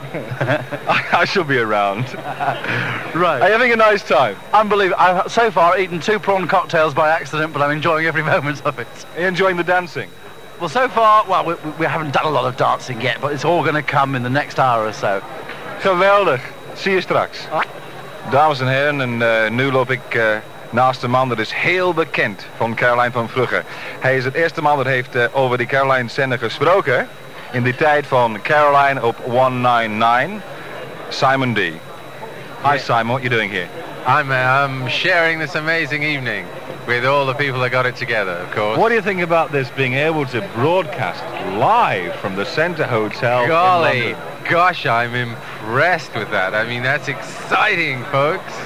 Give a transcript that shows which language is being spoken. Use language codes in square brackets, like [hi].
[en] I shall be around. Right. Are you having a nice time? Unbelievable. I've so far eaten 2 prawn cocktails by accident, but I'm enjoying every moment of it. Are you enjoying the dancing? Well, so far, well, we haven't done a lot of dancing yet, but it's all going to come in the next hour or so. Geweldig. See you [nl] straks. Dames en heren, een nieuw loop ik naast een man dat is heel bekend van Caroline van Vrugge. Hij is het eerste man dat heeft over die Caroline zender gesproken. In die tijd van Caroline op 199, Simon D. [en] Hi, yeah. Simon, what are you doing here? I'm sharing this amazing evening with all the people that got it together, of course. What do you think about this, being able to broadcast live from the Centre Hotel? Golly, in London? Gosh, I'm impressed with that. I mean, that's exciting, folks.